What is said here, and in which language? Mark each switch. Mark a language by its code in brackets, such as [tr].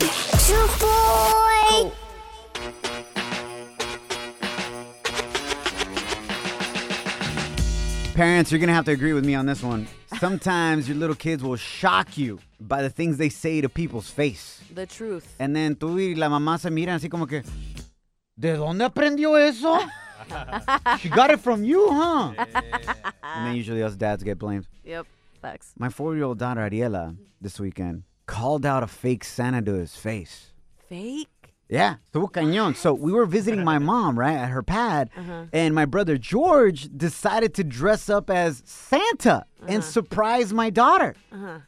[en] Shaboy. Parents, you're going to have to agree with me on this one. Sometimes your little kids will shock you by the things they say to people's face. The truth. And then [es] tú y la mamá se miran así como que, ¿de dónde aprendió eso? [en] She got it from you, huh? Yeah. And then usually us dads get blamed. Yep, facts. My 4-year-old daughter, Ariela, this weekend, called out a fake Santa to his face. Fake? Yeah, [es] tuvo cañón. [en] So we were visiting my mom, right, at her pad, and my brother George decided to dress up as Santa and surprise my daughter. Uh-huh.